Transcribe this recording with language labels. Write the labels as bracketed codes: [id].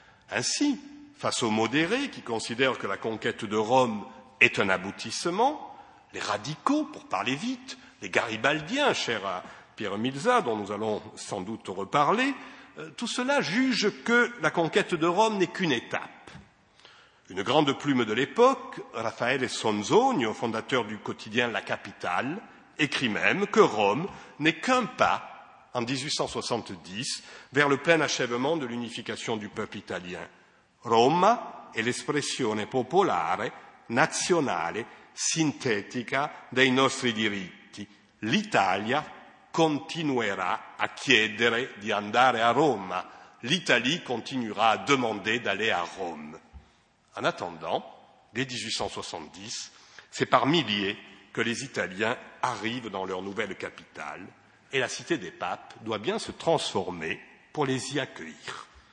[fr] Ainsi, face aux modérés qui considèrent que la conquête de Rome est un aboutissement, les radicaux, pour parler vite, les garibaldiens, chers à Pierre Milza, dont nous allons sans doute reparler, tout cela juge que la conquête de Rome n'est qu'une étape. Une grande plume de l'époque, Raffaele Sonzogno, fondateur du quotidien La Capitale, écrit même que Rome n'est qu'un pas, en 1870, vers le plein achèvement de l'unification du peuple italien. [it] Roma è l'espressione popolare, nazionale, sintetica dei nostri diritti. L'Italia continuerà a chiedere di andare a Roma. [fr] L'Italie continuera à demander d'aller à Rome. En attendant, dès 1870, c'est par milliers que les Italiens arrivent dans leur nouvelle capitale et la cité des papes doit bien se transformer pour les y accueillir.